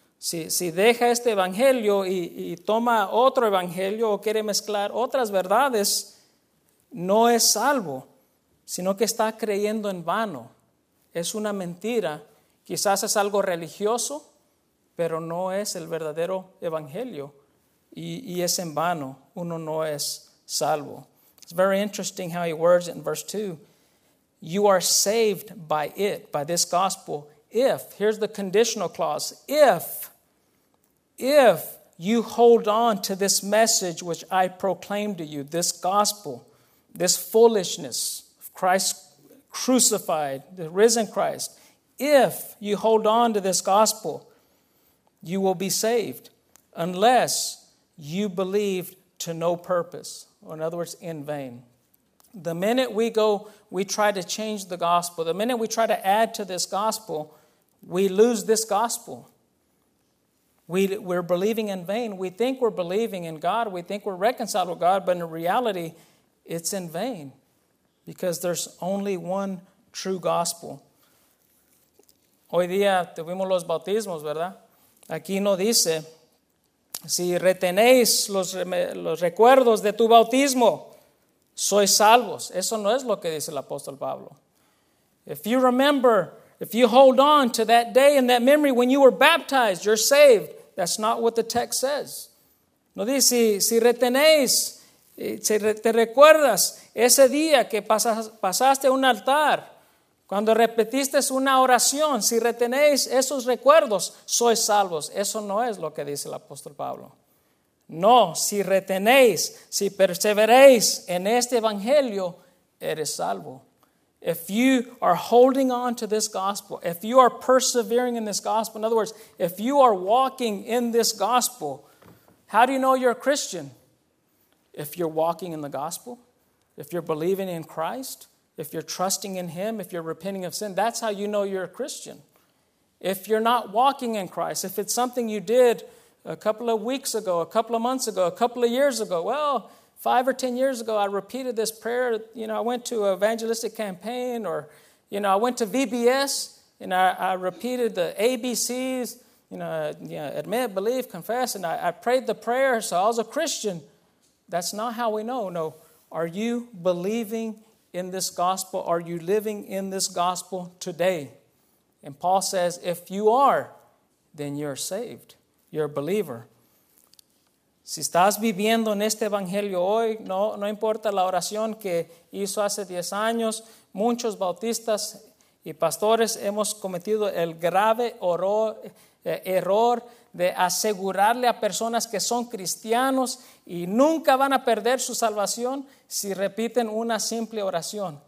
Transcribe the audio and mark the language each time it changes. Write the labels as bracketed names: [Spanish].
[Spanish] Si deja este evangelio y toma otro evangelio o quiere mezclar otras verdades, no es salvo, sino que está creyendo en vano. Es una mentira. Quizás es algo religioso, pero no es el verdadero evangelio. Y es en vano. Uno no es salvo. [English] It's very interesting how he words it in verse 2. You are saved by it, by this gospel, if, here's the conditional clause, if you hold on to this message which I proclaim to you, this gospel, this foolishness of Christ crucified, the risen Christ, if you hold on to this gospel, you will be saved, unless you believe to no purpose, or in other words, in vain. The minute we try to change the gospel, the minute we try to add to this gospel, we lose this gospel. We're believing in vain. We think we're believing in God. We think we're reconciled with God, but in reality, it's in vain, because there's only one true gospel. [Spanish] Hoy día tuvimos los bautismos, ¿verdad? Aquí no dice, si retenéis los recuerdos de tu bautismo, sois salvos. Eso no es lo que dice el apóstol Pablo. [English] If you remember, if you hold on to that day and that memory when you were baptized, you're saved. That's not what the text says. [Spanish] No dice, si retenéis, si te recuerdas ese día que pasaste un altar, cuando repetiste una oración, si retenéis esos recuerdos, sois salvos. Eso no es lo que dice el apóstol Pablo. No, si retenéis, si perseveréis en este evangelio, eres salvo. [English] If you are holding on to this gospel, if you are persevering in this gospel, in other words, if you are walking in this gospel, how do you know you're a Christian? If you're walking in the gospel, if you're believing in Christ, if you're trusting in Him, if you're repenting of sin, that's how you know you're a Christian. If you're not walking in Christ, if it's something you did a couple of weeks ago, a couple of months ago, a couple of years ago, well, 5 or 10 years ago, I repeated this prayer. You know, I went to an evangelistic campaign, or, you know, I went to VBS, and I repeated the ABCs, you know, admit, believe, confess, and I prayed the prayer, so I was a Christian. That's not how we know. No, are you believing in this gospel? Are you living in this gospel today? And Paul says, if you are, then you're saved. You're a believer. [Spanish] Si estás viviendo en este evangelio hoy, no importa la oración que hizo hace 10 años, muchos bautistas y pastores hemos cometido el grave error de asegurarle a personas que son cristianos y nunca van a perder su salvación si repiten una simple oración.